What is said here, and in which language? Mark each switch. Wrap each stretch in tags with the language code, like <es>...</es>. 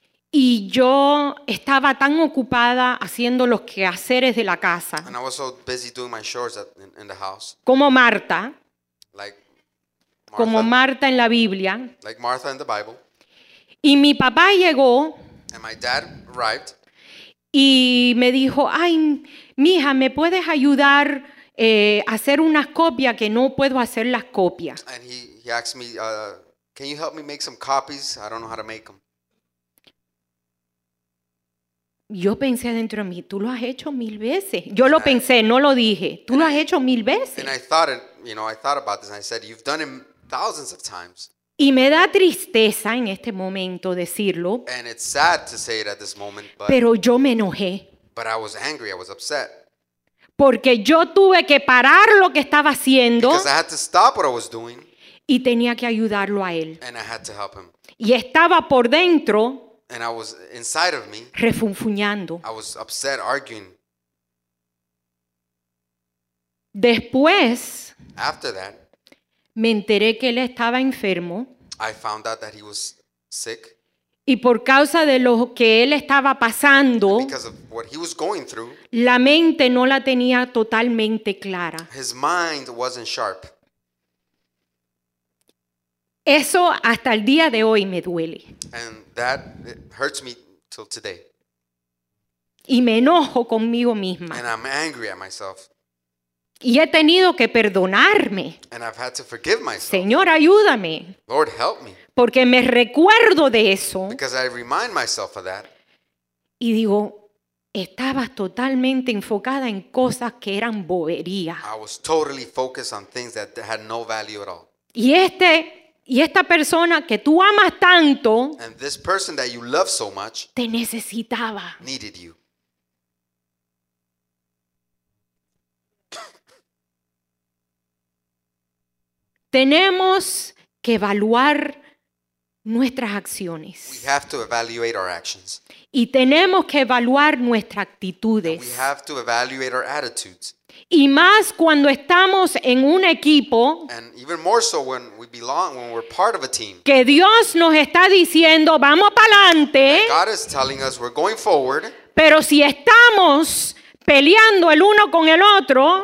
<es>Y yo estaba tan ocupada haciendo los quehaceres de la casa.</es> <en>And I was so busy doing my chores in the house.</en> <es>Como Marta.</es> <en>Like Martha.</en> <es>Como Marta en la Biblia.</es> <en>Like Martha in the Bible.</en> <es>Y mi papá llegó.</es> <en>And my dad arrived.</en> <es>Y me dijo, ay, mija, ¿me puedes ayudar a hacer unas copias que no puedo hacer las copias?</es> <en>And he asked me, can you help me make some copies? I don't know how to make them.</en> <es>Yo pensé dentro de mí, tú lo has hecho mil veces. Yo lo pensé, no lo dije. Tú lo has hecho mil veces.</es> <en>And I thought, you know, I thought about this and I said, you've done it thousands of times.</en> <es>Y me da tristeza en este momento decirlo.</es> <en>And it's sad to say it at this moment, but,</en> <es>pero yo me enojé.</es> <en>But I was angry, I was upset.</en> <es>Porque yo tuve que parar lo que estaba haciendo.</es> <en>Because I had to stop what I was doing.</en> <es>Y tenía que ayudarlo a él.</es> <en>And I had to help him.</en> <es>Y estaba por dentro.</es> <en>And I was inside of me.</en> <es>Refunfuñando.</es> <en>I was upset, arguing.</en> <es>Después.</es> <en>After that.</en> <es>Me enteré que él estaba enfermo.</es> <en>I found out that he was sick.</en> <es>Y por causa de lo que él estaba pasando.</es> <en>And because of what he was going through.</en> <es>La mente no la tenía totalmente clara.</es> <en>His mind wasn't sharp.</en> <es>Eso hasta el día de hoy me duele.</es> <en>And that hurts me till today.</en> <es>Y me enojo conmigo misma.</es> <en>And I'm angry at myself.</en> <es>Y he tenido que perdonarme.</es> <en>And I've had to forgive myself.</en> <es>Señor, ayúdame.</es> <en>Lord, help me.</en> <es>Porque me recuerdo de eso.</es> <en>Because I remind myself of that.</en> <es>Y digo, estabas totalmente enfocada en cosas que eran bobería.</es> <en>I was totally focused on things that had no value at all.</en> <es>Y esta persona que tú amas tanto,</es> <en>and this person that you love so much,</en> <es>te necesitaba.</es> <en>Needed you.</en> <es>Tenemos que evaluar nuestras acciones.</es> <en>We have to evaluate our actions.</en> <es>Y tenemos que evaluar nuestras actitudes.</es> <en>And we have to evaluate our attitudes.</en> <es>Y más cuando estamos en un equipo.</es> <en>And even more so when we belong, when we're part of a team.</en> <es>Que Dios nos está diciendo, vamos para adelante.</es> <en>God is telling us we're going forward.</en> <es>Pero si estamos peleando el uno con el otro.</es>